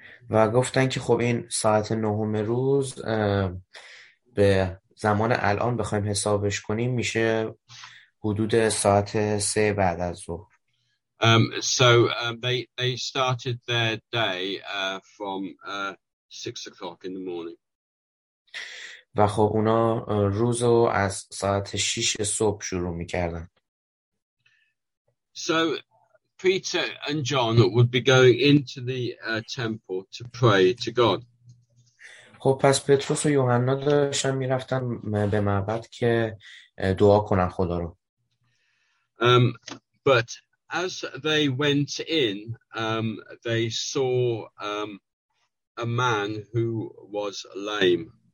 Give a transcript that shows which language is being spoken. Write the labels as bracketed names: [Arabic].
[Persian] و گفتن که خب این ساعت نهم روز به زمان الان بخوایم حسابش کنیم میشه حدود ساعت 3 بعد از ظهر. [English] So they started their day from 6 o'clock in the morning. [Persian] و خب اونا روز رو از ساعت 6 صبح شروع میکردن. [English] So Peter and John would be going into the temple to pray to God. [Persian] خب پس پتروس و یوحنا داشتن می‌رفتن به معبد که دعا کنن خدا رو. [English] But as they went in, they saw a man who was lame.